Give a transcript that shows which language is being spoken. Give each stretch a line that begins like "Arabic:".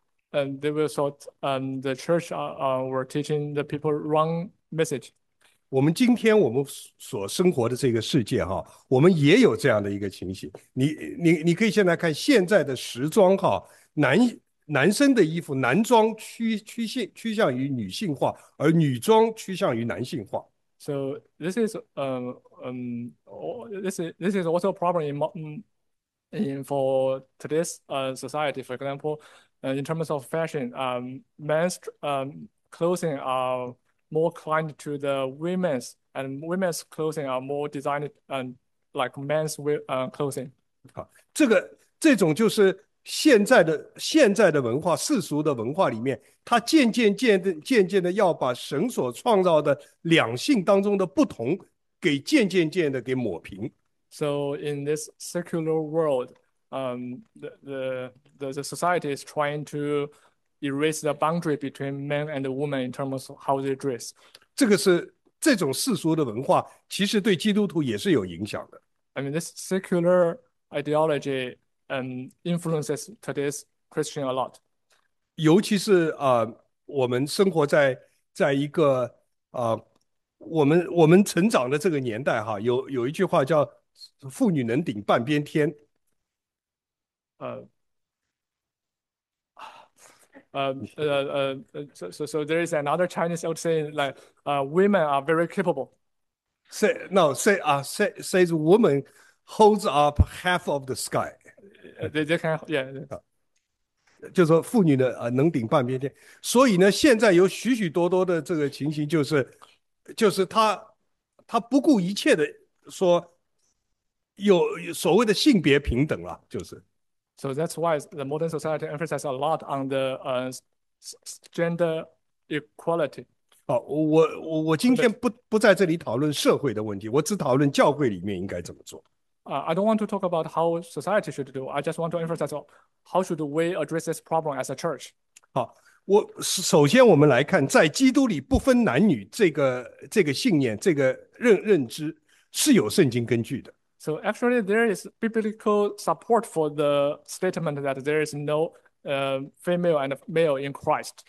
English: They will thought the church were teaching the people wrong message.
Chinese: 我们今天所生活的这个世界哈，我们也有这样的一个情形。你可以现在看现在的时装哈，男生的衣服，男装趋向于女性化，而女装趋向于男性化。
English: So this is this is also a problem in for today's society. For example, in terms of fashion, men's clothing are more inclined to the women's, and women's clothing are more designed like men's clothing.
Chinese: 这种就是。现在的文化，世俗的文化里面，它渐渐的要把神所创造的两性当中的不同给渐渐的给抹平。
English: So in this secular world, the society is trying to erase the boundary between men and women in terms of how they dress.
Chinese: 这种世俗的文化，其实对基督徒也是有影响的。
English: I mean, this secular ideology influences today's Christian a lot.
Chinese: 尤其是我们生活在一个我们成长的这个年代哈，有一句话叫“妇女能顶半边天
English: So there is another Chinese old saying like women are very capable. says woman holds up half of the sky。 They can yeah.
Chinese: 就说妇女呢，能顶半边天。所以呢，现在有许许多多的这个情形，就是他不顾一切的说，有所谓的性别平等了，就是。
English: So that's why the modern society emphasizes a lot on the gender equality.
Chinese: 我今天不在这里讨论社会的问题，我只讨论教会里面应该怎么做。
English: I don't want to talk about how society should do. I just want to emphasize how should we address this problem as a church.
Chinese: 首先，我们来看，在基督里不分男女这个信念，这个认知是有圣经根据的。
English: So actually, there is biblical support for the statement that there is no female and male in Christ.